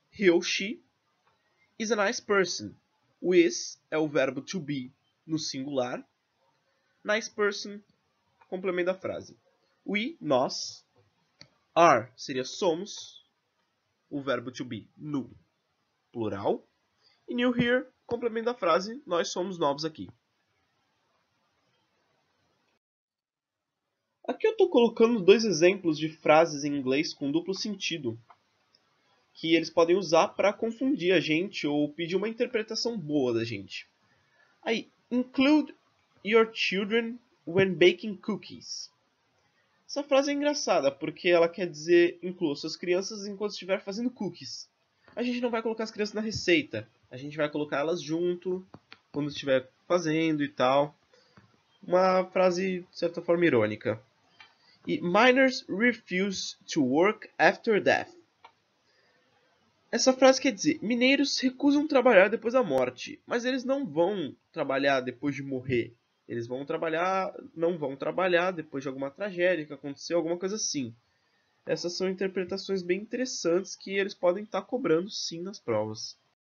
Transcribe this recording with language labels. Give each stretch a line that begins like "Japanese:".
English: He ou she is a nice person.
Portuguese: O is é o verbo to be no singular.
English: Nice person,
Portuguese: complemento da frase. We, nós. Are, seria somos. O verbo to be, no plural. E
English: new here,
Portuguese: complemento da frase, nós somos novos aqui. Aqui eu estou colocando dois exemplos de frases em inglês com duplo sentido. Que eles podem usar para confundir a gente ou pedir uma interpretação boa da gente.
English: Aí, include your children when baking cookies.
Portuguese: Essa frase é engraçada, porque ela quer dizer inclua suas crianças enquanto estiver fazendo cookies. A gente não vai colocar as crianças na receita. A gente vai colocar elas junto, quando estiver fazendo e tal. Uma frase, de certa forma, irônica.
English: E miners refuse to work after death.
Portuguese: Essa frase quer dizer, mineiros recusam trabalhar depois da morte. Mas eles não vão trabalhar depois de morrer. Eles vão trabalhar, não vão trabalhar depois de alguma tragédia que aconteceu, alguma coisa assim. Essas são interpretações bem interessantes que eles podem estar cobrando sim nas provas.